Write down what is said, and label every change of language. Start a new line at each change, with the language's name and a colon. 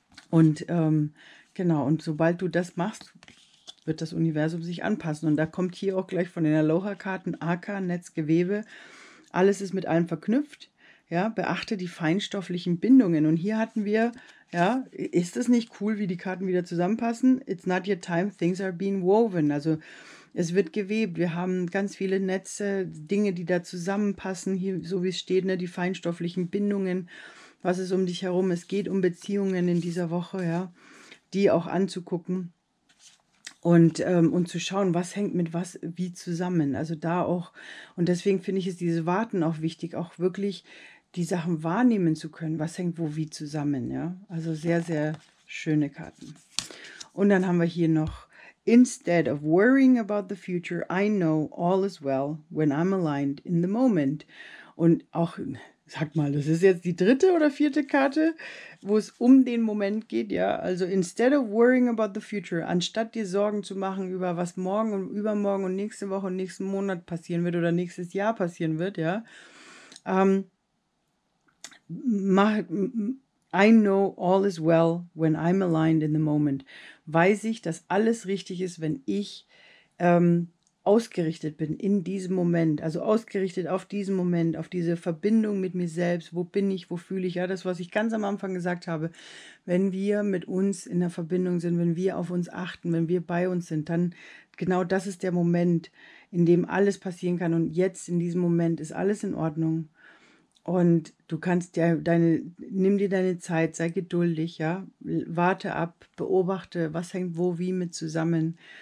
German: Und genau, und sobald du das machst, wird das Universum sich anpassen. Und da kommt hier auch gleich von den Aloha-Karten, Aka, Netz, Gewebe. Alles ist mit allem verknüpft. Ja, beachte die feinstofflichen Bindungen. Und hier hatten wir, ja, ist es nicht cool, wie die Karten wieder zusammenpassen?
English: It's not your time, things are being woven.
German: Also es wird gewebt. Wir haben ganz viele Netze, Dinge, die da zusammenpassen. Hier, so wie es steht, ne, die feinstofflichen Bindungen. Was ist um dich herum? Es geht um Beziehungen in dieser Woche, ja, die auch anzugucken und zu schauen, was hängt mit was wie zusammen. Also da auch, und deswegen finde ich es dieses Warten auch wichtig, auch wirklich die Sachen wahrnehmen zu können. Was hängt wo wie zusammen, ja? Also sehr, sehr schöne Karten. Und dann haben wir hier noch,
English: instead of worrying about the future, I know all is well when I'm aligned in the moment.
German: Und auch, sag mal, das ist jetzt die dritte oder vierte Karte, wo es um den Moment geht, ja. Also
English: instead of worrying about the future,
German: anstatt dir Sorgen zu machen über was morgen und übermorgen und nächste Woche und nächsten Monat passieren wird oder nächstes Jahr passieren wird, ja.
English: I know all is well when I'm aligned in the moment.
German: weiß ich, dass alles richtig ist, wenn ich ausgerichtet bin in diesem Moment, also ausgerichtet auf diesen Moment, auf diese Verbindung mit mir selbst, wo bin ich, wo fühle ich, ja, das, was ich ganz am Anfang gesagt habe, wenn wir mit uns in der Verbindung sind, wenn wir auf uns achten, wenn wir bei uns sind, dann genau das ist der Moment, in dem alles passieren kann und jetzt in diesem Moment ist alles in Ordnung und du kannst ja nimm dir deine Zeit, sei geduldig, ja, warte ab, beobachte, was hängt wo wie mit zusammen.